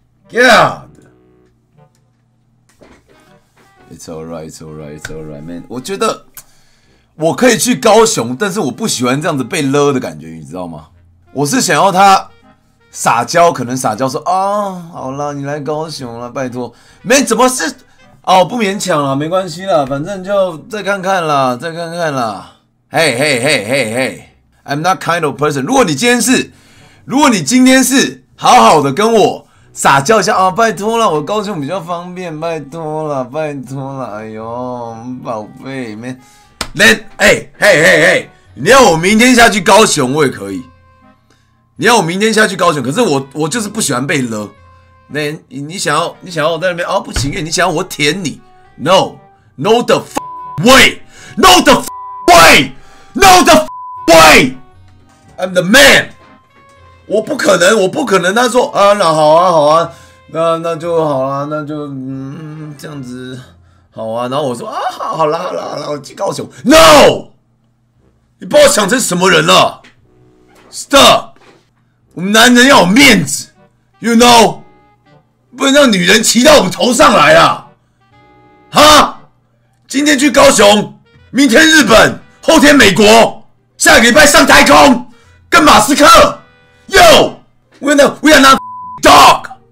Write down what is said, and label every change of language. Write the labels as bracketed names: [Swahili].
[English] God， it's all right, it's all right, it's all right, man。 [Chinese] 我觉得我可以去高雄，但是我不喜欢这样子被勒的感觉，你知道吗？我是想要他撒娇，可能撒娇说啊、哦，好啦，你来高雄啦，拜托。 man， 怎么是？哦，不勉强啦，没关系啦，反正就再看看啦，再看看啦。 [English] Hey, hey, hey, hey, hey, I'm that kind of person。 [Chinese] 如果你今天是好好的跟我。撒娇一下啊！拜托了，我高雄比较方便，拜托了，拜托了，哎呦，宝贝 ，man， 连哎嘿嘿嘿，你要我明天下去高雄，我也可以。你要我明天下去高雄，可是我就是不喜欢被勒。连你想要我在那边啊、哦？不情愿，你想要我舔你 [English] ？No， no the f- way， no the f- way， no the f- way， I'm the man。 [Chinese] 我不可能他说啊那好啊好啊那就好啦那就这样子好啊然后我说啊好啦好啦好啦我去高雄 [English] NO [Chinese] 你把我想成什么人了 [English] Stop [Chinese] 我们男人要有面子 [English] You know [Chinese] 不能让女人骑到我们头上来啦哈今天去高雄明天日本后天美国下个礼拜上太空跟马斯克 [English] Yo, we are not dog.